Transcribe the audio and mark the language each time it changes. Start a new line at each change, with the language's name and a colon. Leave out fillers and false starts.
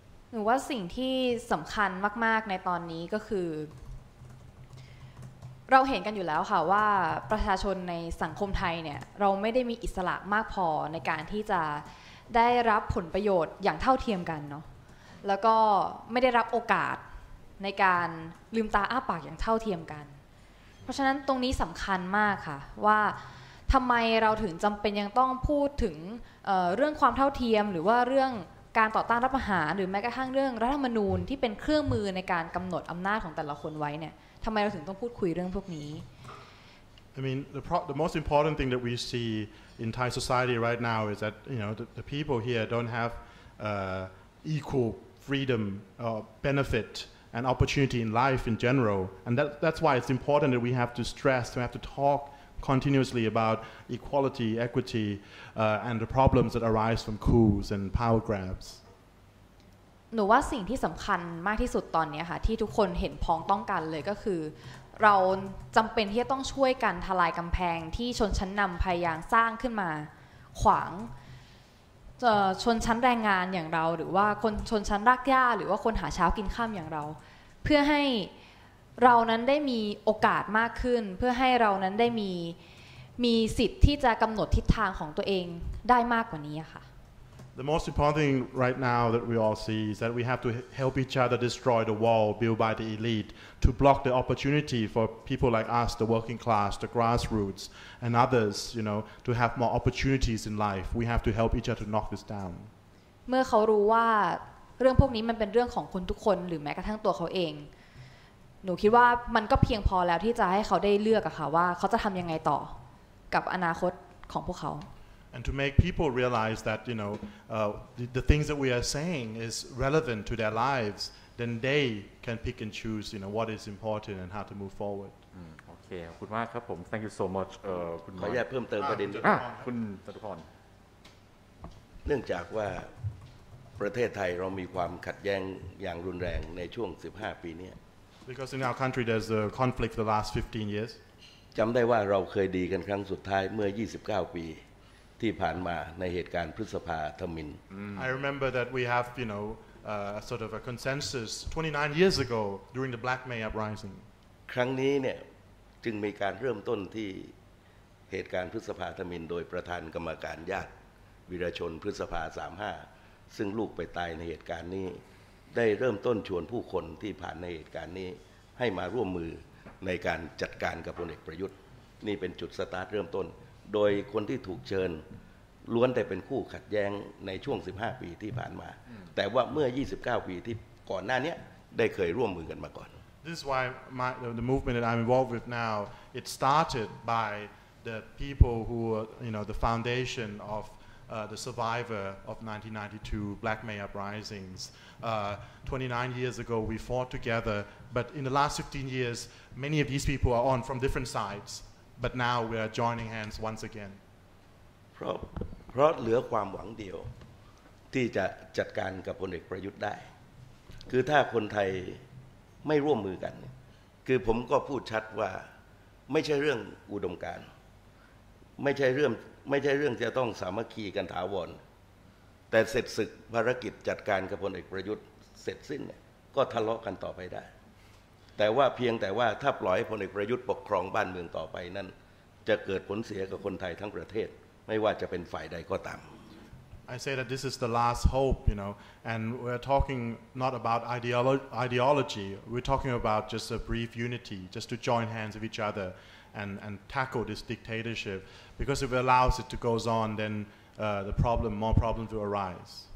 Thai: หนูว่าสิ่งที่สำคัญมากๆในตอนนี้ก็คือเราเห็นกันอยู่แล้วค่ะว่าประชาชนในสังคมไทยเนี่ยเราไม่ได้มีอิสระมากพอในการที่จะได้รับผลประโยชน์อย่างเท่าเทียมกันเนาะแล้วก็ไม่ได้รับโอกาสในการลืมตาอ้าปากอย่างเท่าเทียมกันเพราะฉะนั้นตรงนี้สำคัญมากค่ะว่าทำไมเราถึงจำเป็นยังต้องพูดถึง เรื่องความเท่าเทียมหรือว่าเรื่องการต่อต้านรัฐประหารหรือแม้กระทั่งเรื่องรัฐธรรมนูญที่เป็นเครื่องมือในการกำหนดอำนาจของแต่ละคนไว้เนี่ยทำไมเราถึงต้องพูดคุยเรื่องพวกนี้
English: I mean the most important thing that we see in Thai society right now is that you know the people here don't have equal freedom or benefit and opportunity in life in general and that's why it's important that we have to stress we have to talkcontinuously about equality, equity, and the problems that arise from coups and power grabs.
Thai: หนูว่าสิ่งที่สำคัญมากที่สุดตอนนี้ค่ะที่ทุกคนเห็นพ้องต้องกันเลยก็คือเราจำเป็นที่จะต้องช่วยกันทลายกำแพงที่ชนชั้นนำพยายามสร้างขึ้นมาขวางชนชั้นแรงงานอย่างเราหรือว่าคนชนชั้นรากหญ้าหรือว่าคนหาเช้ากินข้ามอย่างเราเพื่อให้เรานั้นได้มีโอกาสมากขึ้นเพื่อให้เรานั้นได้มีสิทธิ์ที่จะกำหนดทิศทางของตัวเองได้มากกว่านี้ค่ะ
English: The most important thing right now that we all see is that we have to help each other destroy the wall built by the elite to block the opportunity for people like us the working class the grassroots and others you know to have more opportunities in life we have to help each other to knock this down
Thai: เมื่อเขารู้ว่าเรื่องพวกนี้มันเป็นเรื่องของคนทุกคนหรือแม้กระทั่งตัวเขาเองหนูคิดว่ามันก็เพียงพอแล้วที่จะให้เขาได้เลือกอะค่ะว่าเขาจะทำยังไงต่อกับอนาคตของพวกเขา
English: And to make people realize that you know the things that we are saying is relevant to their lives then they can pick and choose you know what is important and how to move forward
Thai: โอเคขอบคุณมากครับผม
English: Thank you so much
Thai: คุณ ขออนุญาตเพิ่มเติมประเด็น คุณจตุพร เนื่องจากว่าประเทศไทยเรามีความขัดแย้งอย่างรุนแรงในช่วง15ปีนี้
English: Because in our country there's a conflict for the last 15 years.
Thai: จำได้ว่าเราเคยดีกันครั้งสุดท้ายเมื่อ29ปีที่ผ่านมาในเหตุการณ์พฤษภาธมิน
English: I remember that we have, you know, a sort of a consensus 29 years ago during the Black May uprising.
Thai: ครั้งนี้เนี่ยจึงมีการเริ่มต้นที่เหตุการณ์พฤษภาธมินโดยประธานกรรมการญาติวีรชนพฤษภา35ซึ่งลูกไปตายในเหตุการณ์นี้ได้เริ่มต้นชวนผู้คนที่ผ่านในเหตุการณ์นี้ให้มาร่วมมือในการจัดการกับพลเอกประยุทธ์ นี่เป็นจุดสตาร์ทเริ่มต้นโดยคนที่ถูกเชิญล้วนแต่เป็นคู่ขัดแย้งในช่วง15ปีที่ผ่านมาแต่ว่าเมื่อ29ปีที่ก่อนหน้านี้ได้เคยร่วมมือกันมาก่อน
English: This is why my, the movement that I'm involved with now it started by the people who you know the foundation ofthe survivor of 1992 Black May uprisings. 29 years ago, we fought together. But in the last 15 years, many of these people are on from different sides. But now we are joining hands once again.
Thai: เพราะเหลือความหวังเดียวที่จะจัดการกับพลเอกประยุทธ์ได้คือถ้าคนไทยไม่ร่วมมือกันคือผมก็พูดชัดว่าไม่ใช่เรื่องอุดมการณ์ ไม่ใช่เรื่องจะต้องสามัคคีกันถาวรแต่เสร็จศึกภารกิจจัดการกับพลเอกประยุทธ์เสร็จสิ้นเนี่ยก็ทะเลาะกันต่อไปได้แต่ว่าเพียงแต่ว่าถ้าปล่อยให้พลเอกประยุทธ์ปกครองบ้านเมืองต่อไปนั้นจะเกิดผลเสียกับคนไทยทั้งประเทศไม่ว่าจะเป็นฝ่ายใดก็ตาม
English: I say that this is the last hope you know and we're talking not about ideology we're talking about just a brief unity just to join hands with each otherand tackle this dictatorship because if it allows it to goes on then the problem more problems will arise